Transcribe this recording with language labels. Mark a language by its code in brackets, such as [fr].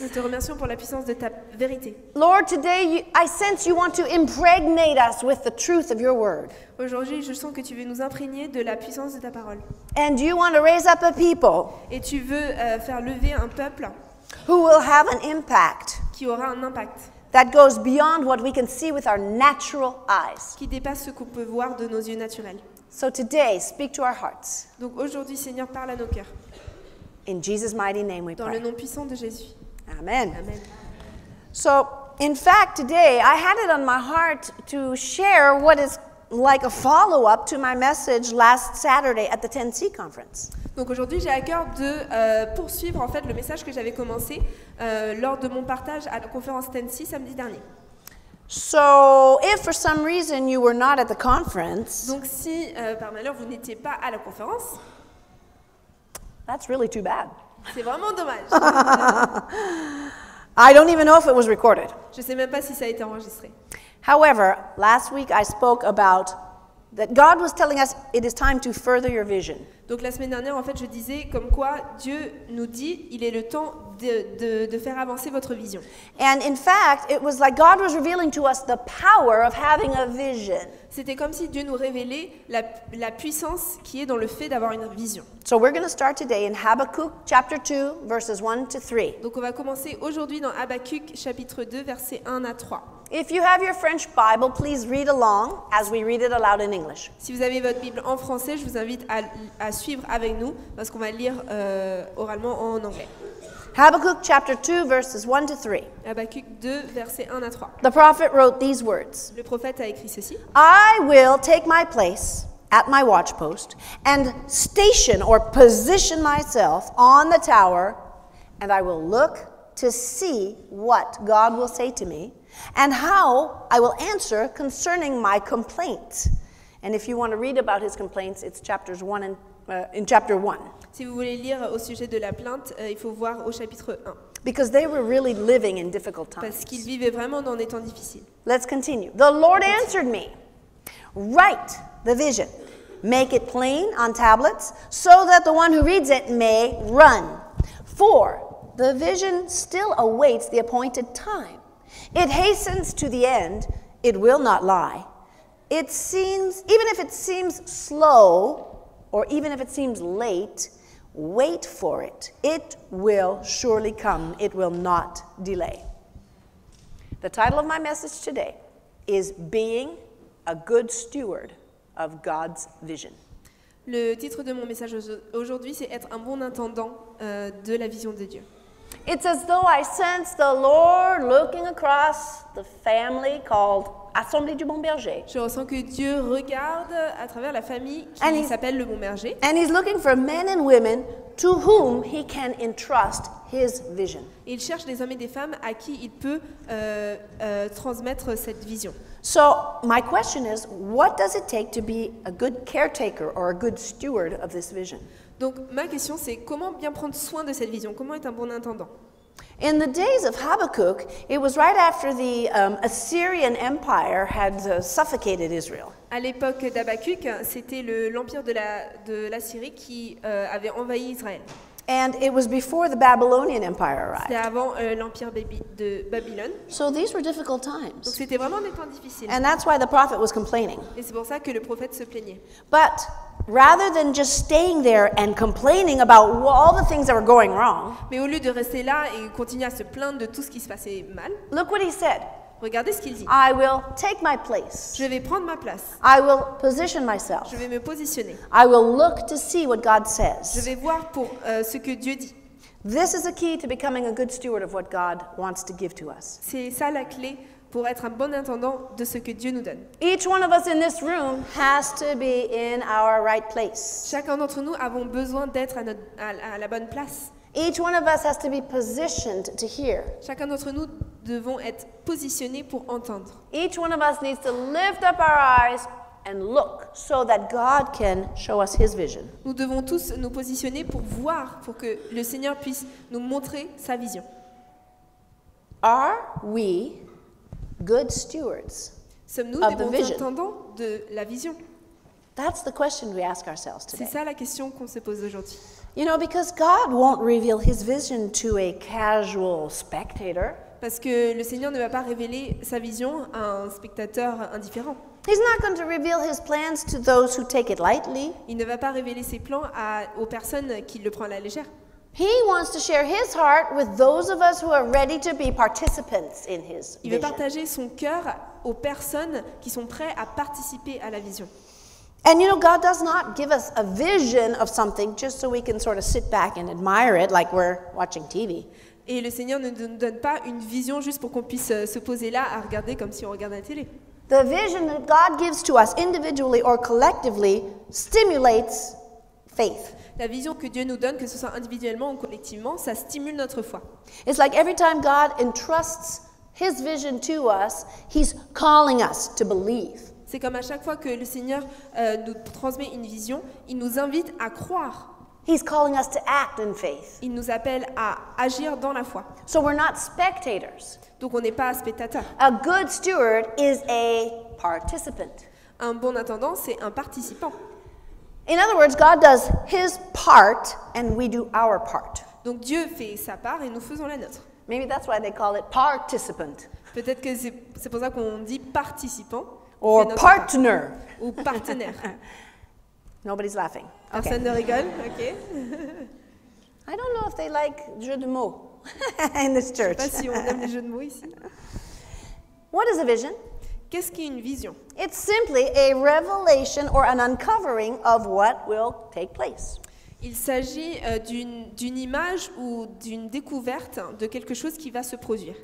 [fr] Nous te remercions pour la puissance de ta vérité. [en] Lord, today I sense you want to impregnate us with the truth of your word. [fr] Aujourd'hui, je sens que tu veux nous imprégner de la puissance de ta parole. [en] And you want to raise up a people. [fr] Et tu veux faire lever un peuple. [en] Who will have an impact. [fr] Qui aura un impact. [en] That goes beyond what we can see with our natural eyes. [fr] Qui dépasse ce qu'on peut voir de nos yeux naturels. [en] So today, speak to our hearts. [fr] Donc aujourd'hui, Seigneur, parle à nos cœurs. [en] In Jesus' mighty name, we pray. [fr] Dans le nom puissant de Jésus. [en] Amen. [fr] Amen. [en] So, in fact, today I had it on my heart to share what is like a follow-up to my message last Saturday at the Tennessee conference. [fr] Donc aujourd'hui, j'ai à cœur de poursuivre en fait le message que j'avais commencé lors de mon partage à la conférence Tennessee samedi dernier. [en] So, if for some reason you were not at the conference, [fr] donc si par malheur vous n'étiez pas à la conférence, [en] that's really too bad. [fr] C'est vraiment dommage. [en] I don't even know if it was recorded. [fr] Je sais même pas si ça a été enregistré. [en] However, last week I spoke about that God was telling us it is time to further your vision. [fr] Donc la semaine dernière, en fait, je disais comme quoi Dieu nous dit, il est le temps de faire avancer votre vision. [en] And in fact, it was like God was revealing to us the power of having a vision. [fr] C'était comme si Dieu nous révélait la puissance qui est dans le fait d'avoir une vision. [en] So we're going to start today in Habakkuk chapter 2, verses 1 to 3. [fr] Donc on va commencer aujourd'hui dans Habakkuk chapitre 2, versets 1 à 3. [en] If you have your French Bible, please read along as we read it aloud in English. [fr] Si vous avez votre Bible en français, je vous invite à suivre avec nous parce qu'on va lire oralement en anglais. [en] Habakkuk chapter 2, verses 1 to 3. [fr] Habakkuk 2, versets 1 à 3. [en] The prophet wrote these words. [fr] Le prophète a écrit ceci. [en] I will take my place at my watchpost and station or position myself on the tower and I will look to see what God will say to me. And how I will answer concerning my complaint. And if you want to read about his complaints, it's chapters 1 and in chapter 1. [fr] Si vous voulez lire au sujet de la plainte, il faut voir au chapitre 1. [en] Because they were really living in difficult times. [fr] Parce qu'ils vivaient vraiment dans des temps difficiles. [en] Let's continue. The Lord answered me. Write the vision. Make it plain on tablets so that the one who reads it may run. For the vision still awaits the appointed time. It hastens to the end, it will not lie. It seems, even if it seems slow, or even if it seems late, wait for it. It will surely come, it will not delay. The title of my message today is Being a Good Steward of God's Vision. [fr] Le titre de mon message aujourd'hui, c'est Être un bon intendant de la vision de Dieu. [en] It's as though I sense the Lord looking across the family called Assemblée du Bon Berger. [fr] Je ressens que Dieu regarde à travers la famille qui s'appelle le Bon Berger. [en] And he's looking for men and women to whom he can entrust his vision. [fr] Il cherche des hommes et des femmes à qui il peut transmettre cette vision. [en] So my question is, what does it take to be a good caretaker or a good steward of this vision? [fr] Donc ma question c'est comment bien prendre soin de cette vision, comment être un bon intendant. [en] In the days of Habakkuk, it was right after the Assyrian Empire had suffocated Israel. [fr] À l'époque d'Habakkuk, c'était l'empire de la Syrie qui avait envahi Israël. [en] And it was before the Babylonian Empire arrived. [fr] C'était avant l'empire de Babylone. [en] So these were difficult times. [fr] Donc c'était vraiment des temps difficiles. [en] And that's why the prophet was complaining. [fr] Et c'est pour ça que le prophète se plaignait. [en] But rather than just staying there and complaining about all the things that were going wrong. [fr] Mais au lieu de rester là et continuer à se plaindre de tout ce qui se passait mal. [en] Look what he said. [fr] Regardez ce qu'il dit. [en] I will take my place. [fr] Je vais prendre ma place. [en] I will position myself. [fr] Je vais me positionner. [en] I will look to see what God says. [fr] Je vais voir pour ce que Dieu dit. [en] This is a key to becoming a good steward of what God wants to give to us. [fr] C'est ça la clé pour être un bon intendant de ce que Dieu nous donne. [en] Each one of us in this room has to be in our right place. [fr] Chacun d'entre nous avons besoin d'être à la bonne place. [en] Each one of us has to be positioned to hear. [fr] Chacun d'entre nous devons être positionnés pour entendre. [en] Each one of us needs to lift up our eyes and look so that God can show us his vision. [fr] Nous devons tous nous positionner pour voir, pour que le Seigneur puisse nous montrer sa vision. [en] Are we good stewards [fr] Sommes-nous [en] of [fr] des bons [en] vision? [fr] Intendants de la vision? [en] That's the question we ask ourselves today. [fr] C'est ça la question qu'on se pose aujourd'hui. [en] You know, because God won't reveal his vision to a casual spectator. [fr] Parce que le Seigneur ne va pas révéler sa vision à un spectateur indifférent. [en] He's not going to reveal his plans to those who take it lightly. [fr] Il ne va pas révéler ses plans aux personnes qui le prennent à la légère. [en] He wants to share his heart with those of us who are ready to be participants in his vision. [fr] Il veut partager son cœur aux personnes qui sont prêtes à participer à la vision. [en] And you know, God does not give us a vision of something just so we can sort of sit back and admire it like we're watching TV. [fr] Et le Seigneur ne nous donne pas une vision juste pour qu'on puisse se poser là à regarder comme si on regardait la télé. [en] The vision that God gives to us individually or collectively stimulates faith. [fr] La vision que Dieu nous donne, que ce soit individuellement ou collectivement, ça stimule notre foi. [en] It's like every time God entrusts his vision to us, he's calling us to believe. [fr] C'est comme à chaque fois que le Seigneur nous transmet une vision, il nous invite à croire. [en] He's calling us to act in faith. [fr] Il nous appelle à agir dans la foi. [en] So we're not spectators. [fr] Donc on n'est pas spectateurs. [en] A good steward is a participant. [fr] Un bon intendant, c'est un participant. [en] In other words, God does his part and we do our part. [fr] Donc Dieu fait sa part et nous faisons la nôtre. [en] Maybe that's why they call it participant. [fr] Peut-être que c'est pour ça qu'on dit participant. [en] Or partner. [fr] Ou partenaire. [en] Nobody's laughing. [fr] Personne ne rigole, ok. [en] I don't know if they like [fr] jeux de mots [en] in this church. [fr] Je ne sais pas si on aime les jeux de mots ici. [en] What is a vision? [fr] Qu'est-ce qu'est une vision? [en] It's simply a revelation or an uncovering of what will take place. [fr] Il s'agit d'une image ou d'une découverte de quelque chose qui va se produire.